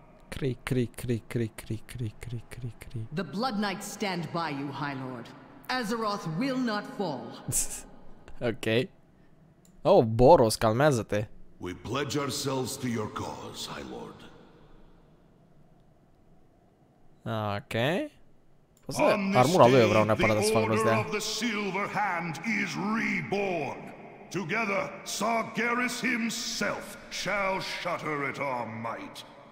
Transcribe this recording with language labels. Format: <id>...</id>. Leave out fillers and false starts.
<en>Cree, cree, cree, cree, cree, cree, cree, cree, cree. The Blood Knights stand by you, High Lord. Azeroth will not fall.</en> <ro>Okay. Oh, Boros, calmează-te.</ro> <en>We pledge ourselves to your cause, High Lord. Okay.</en> <ro>Armura lui eu vreau neapărat să fac rost de ea.</ro> <en>The Silver Hand is reborn. Together, Sargeras himself shall shatter at our might.</en>